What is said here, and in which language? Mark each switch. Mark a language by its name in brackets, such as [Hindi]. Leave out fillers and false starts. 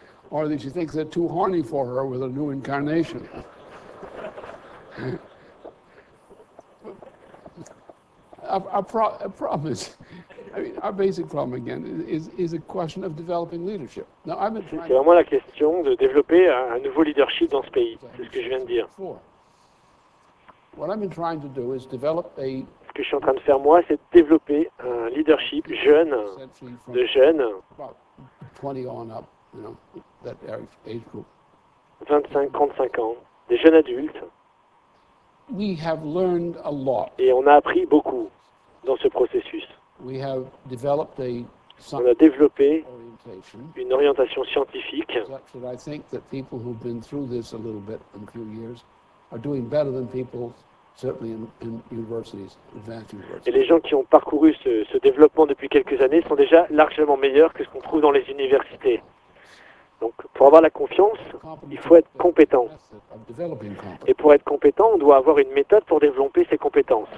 [English] Or that she thinks they're too horny for her with a new incarnation. Our problem is, I mean, our basic problem again is a question of developing leadership. Now, I've been trying. [French] C'est vraiment la question de développer un nouveau leadership dans ce pays. C'est ce que je viens de dire. [English] What I've been trying to do is develop a. [French] Ce que je suis en train de faire moi, c'est de développer un leadership jeune, de jeunes. [English] 20 on up, you know, that age group. [French] 25-35 ans, des jeunes adultes. [English] We have learned a lot. [French] Et on a appris beaucoup dans ce processus. [English] We have developed a. [French] On a développé une orientation scientifique. [English] That I think that people who've been through this a little bit in a few years are doing better than people. Certainly in universities, advanced universities. [French] Et les gens qui ont parcouru ce développement depuis quelques années sont déjà largement meilleurs que ce qu'on trouve dans les universités. Donc, pour avoir la confiance, il faut être compétent. Et pour être compétent, on doit avoir une méthode pour développer ses compétences.